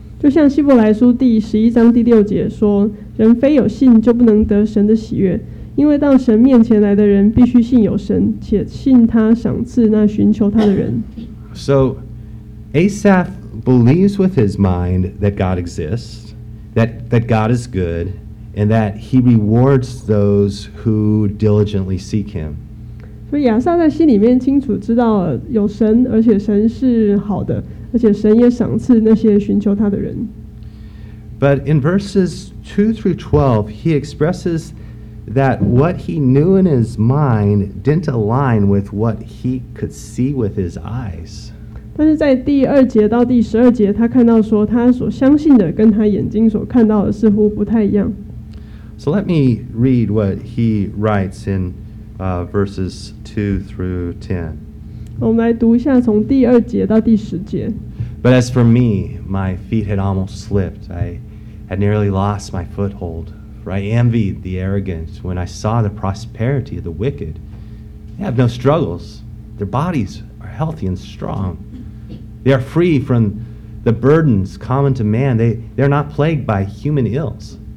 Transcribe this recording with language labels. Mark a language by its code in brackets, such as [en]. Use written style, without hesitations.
[zh] 就像希伯来书第十一章第六节说，人非有信就不能得神的喜悦，因为到神面前来的人必须信有神，且信他赏赐那寻求他的人。 [en] So Asaph believes with his mind that God exists, that God is good, and that he rewards those who diligently seek him. [zh] 所以亚撒在心里面清楚知道有神，而且神是好的，而且神也赏赐那些寻求他的人。 [en] But in verses 2 through 12, he expresses that what he knew in his mind didn't align with what he could see with his eyes. [zh] 但是在第二节到第十二节，他看到说他所相信的跟他眼睛所看到的似乎不太一样。 [en] So let me read what he writes in verses 2 through 10. [zh] 我们来读一下从第二节到第十节。 [en] But as for me, my feet had almost slipped. I had nearly lost my foothold. For I envied the arrogant when I saw the prosperity of the wicked. They have no struggles. Their bodies are healthy and strong. They are free from the burdens common to man. They are not plagued by human ills.